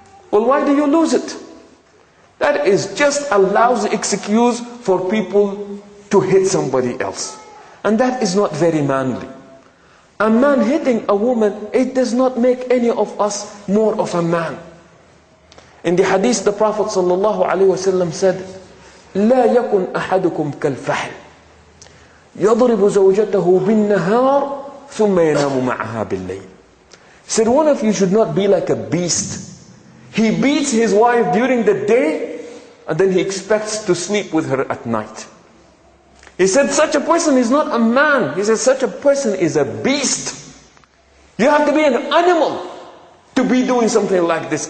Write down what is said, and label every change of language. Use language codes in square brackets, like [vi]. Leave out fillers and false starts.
[en] Well, why do you lose it? That is just a lousy excuse for people to hit somebody else. And that is not very manly. A man hitting a woman, it does not make any of us more of a man. In the hadith, the Prophet ﷺ said, [ar] لا يكن أحدكم كالفحل. يضرب زوجته بالنهار ثم ينام معها بالليل. [en] Said one of you should not be like a beast. He beats his wife during the day and then he expects to sleep with her at night. He said such a person is not a man. He said such a person is a beast. You have to be an animal to be doing something like this.